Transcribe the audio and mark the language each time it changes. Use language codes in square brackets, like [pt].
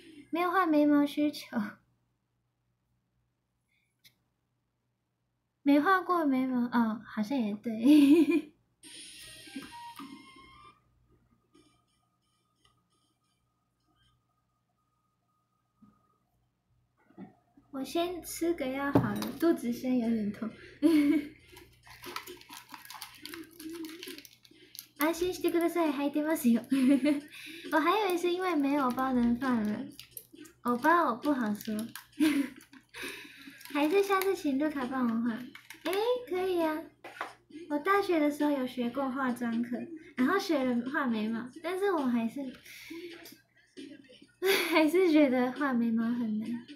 [zh] 没有画眉毛需求，没画过眉毛，哦，好像也对。我先吃个药好了，肚子先有点痛。 [ja] 安心してください、入ってますよ。 [zh] 我还以为是因为没有包能放了，我包我不好说。还是下次请卢卡帮我画。哎，可以啊。我大学的时候有学过化妆课，然后学了画眉毛，但是我还是觉得画眉毛很难。